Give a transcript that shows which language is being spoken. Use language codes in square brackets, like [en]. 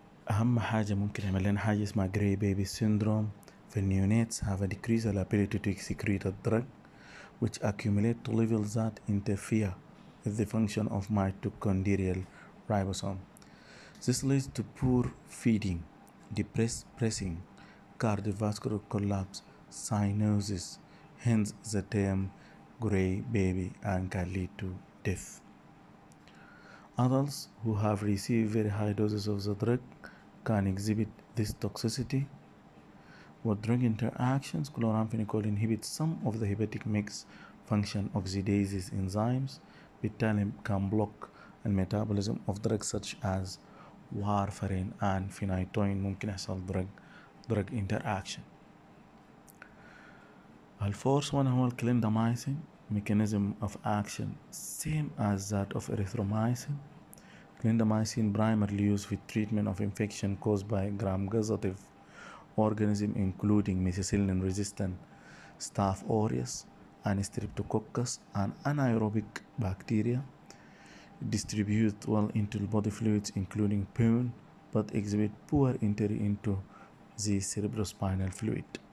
[ar] أهم حاجة ممكن يعمل لنا حاجة اسمها gray baby syndrome. [en] The neonates have a decreased ability to secrete a drug which accumulate to levels that interfere with the function of mitochondrial ribosome. This leads to poor feeding, depressed pressing, cardiovascular collapse, cyanosis. Hence the term gray baby and can lead to death. Adults who have received very high doses of the drug can exhibit this toxicity. With drug interactions, chloramphenicol inhibits some of the hepatic mix function oxidase enzymes, which can block the metabolism of drugs such as warfarin and phenytoin. [ar] ممكن يحصل drug interaction. [en] الفورس وان [ar] هو [en] الكليندامايسين, mechanism of action same as that of erythromycin. Clindamycin primarily used for treatment of infection caused by gram-positive organism including methicillin-resistant staph aureus and streptococcus and anaerobic bacteria, distributes well into body fluids including pain but exhibit poor entry into the cerebrospinal fluid.